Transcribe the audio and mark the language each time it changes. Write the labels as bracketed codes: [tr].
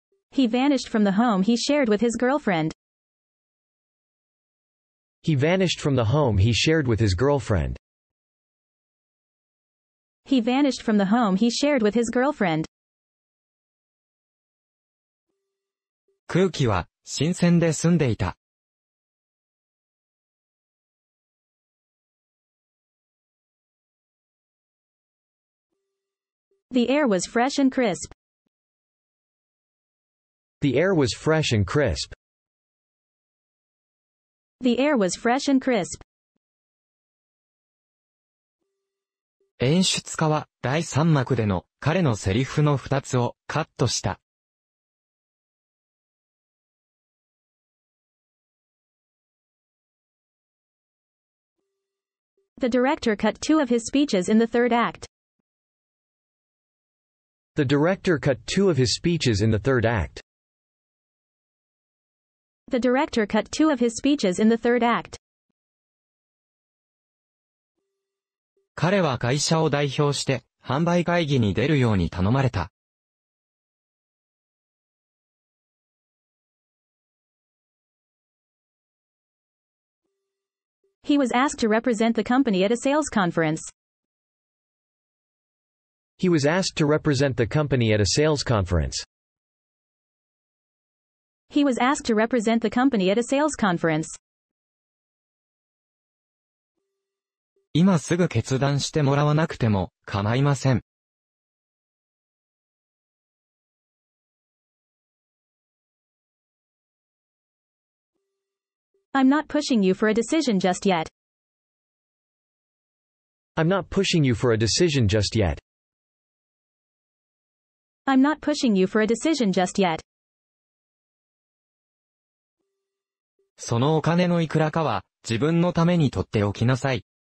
[en] He vanished from the home he shared with his girlfriend. He vanished from the home he shared with his girlfriend. He vanished from the home he shared with his girlfriend. [ja] 空気は新鮮で澄んでいた。 [en] The air was fresh and crisp. The air was fresh and crisp. The air was fresh and crisp. [ja] 演出家は第三幕での彼のセリフの二つをカットした。 [en] The director cut two of his speeches in the third act. The director cut two of his speeches in the third act. The director cut two of his speeches in the third act. [ja] 彼は会社を代表して販売会議に出るように頼まれた。 [en] He was asked to represent the company at a sales conference. He was asked to represent the company at a sales conference. He was asked to represent the company at a sales conference. [ja] 今すぐ決断してもらわなくても構いません。 [en] I'm not pushing you for a decision just yet. I'm not pushing you for a decision just yet. I'm not pushing you for a decision just yet. [ja] そのお金のいくらかは自分のためにとっておきなさい。